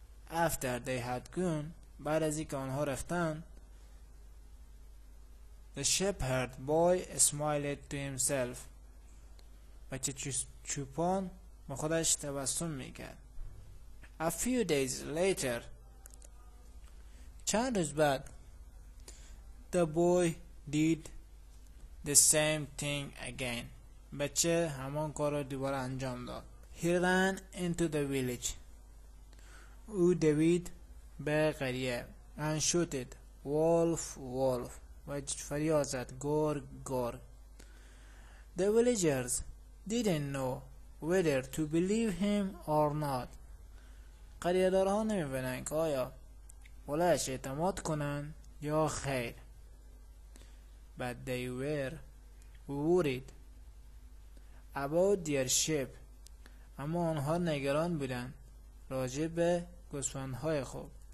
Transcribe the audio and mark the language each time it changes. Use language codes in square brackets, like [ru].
[en] After they had gone, [fa] بعد از اینکه آنها رفتند, [en] the shepherd boy smiled to himself. [fa] بچه چوپان به خودش تبسم میکرد. [en] A few days later, [fa] چند روز بعد, [en] the boy did the same thing again. [fa] بچه همان کار را دوباره انجام داد. [en] He ran into the village. [fa] او دوید به قریه. [en] And shouted, wolf, wolf. [fa] و فریاد زد, گرگ, گرگ. [en] The villagers didn't know whether to believe him or not. [fa] قریه دارها نمی بینند که آیا ولش اعتماد کنند یا خیر. [en] But they were worried about their sheep. [fa] اما آنها نگران بودند راجع به گوسفندهای خود.